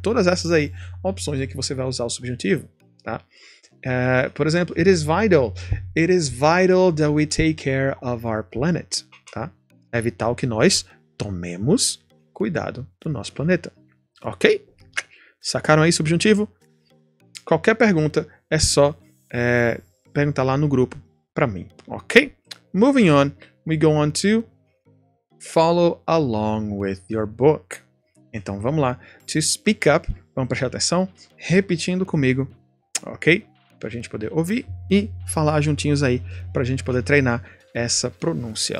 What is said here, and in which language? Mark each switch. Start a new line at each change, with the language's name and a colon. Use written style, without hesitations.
Portuguese: Todas essas aí, opções em que você vai usar o subjuntivo, tá? Por exemplo,
English: it is vital. It is vital that we take care of our planet, tá?
Portuguese: É vital que nós tomemos cuidado do nosso planeta. Ok? Sacaram aí subjuntivo? Qualquer pergunta é só perguntar lá no grupo para mim. Ok?
English: Moving on, we go on to follow along with your book.
Portuguese: Então, vamos lá.
English: To speak up,
Portuguese: vamos prestar atenção, repetindo comigo. Ok? para a gente poder ouvir e falar juntinhos aí, para a gente poder treinar essa pronúncia.